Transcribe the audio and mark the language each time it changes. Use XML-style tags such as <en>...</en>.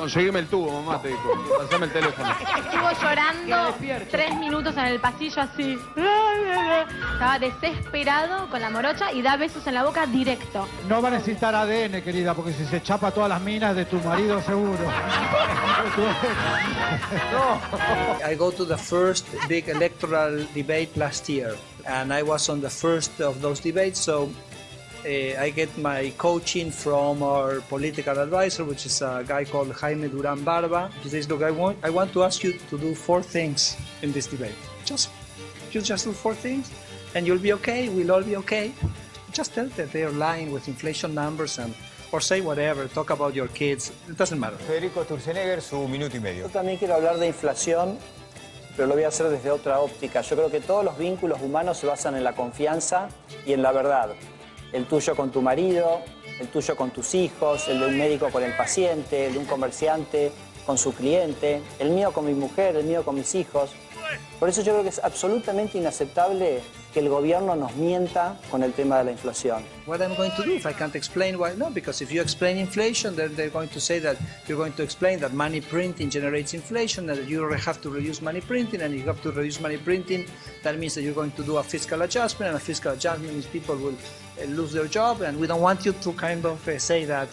<es>Conseguime el tubo, mamá, te dijo. Pasame el teléfono. Estuvo llorando 3 minutos en el pasillo así. Estaba desesperado con la morocha y da besos en la boca directo. No va a necesitar ADN, querida, porque si se chapa todas las minas de tu marido, seguro. No.</es> <en>I go to the first big electoral debate last year. And I was on the first of those debates, so... I get my coaching from our political advisor, which is a guy called Jaime Durán Barba. He says, look, I want to ask you to do 4 things in this debate. You just do 4 things and you'll be okay. We'll all be okay. Just tell that they're lying with inflation numbers and or say whatever. Talk about your kids. It doesn't matter.</en> <es>Federico Sturzenegger, su minuto y medio. Yo también quiero hablar de inflación, pero lo voy a hacer desde otra óptica. Yo creo que todos los vínculos humanos se basan en la confianza y en la verdad. El tuyo con tu marido, el tuyo con tus hijos, el de un médico con el paciente, el de un comerciante con su cliente, el mío con mi mujer, el mío con mis hijos. Por eso yo creo que es absolutamente inaceptable que el gobierno nos mienta con el tema de la inflación.</es> <en>What I'm going to do if I can't explain why? No, because if you explain inflation, then they're going to say that you're going to explain that money printing generates inflation and that you have to reduce money printing, and if you have to reduce money printing, that means that you're going to do a fiscal adjustment, and a fiscal adjustment means people will lose their job, and we don't want you to kind of say that.</en>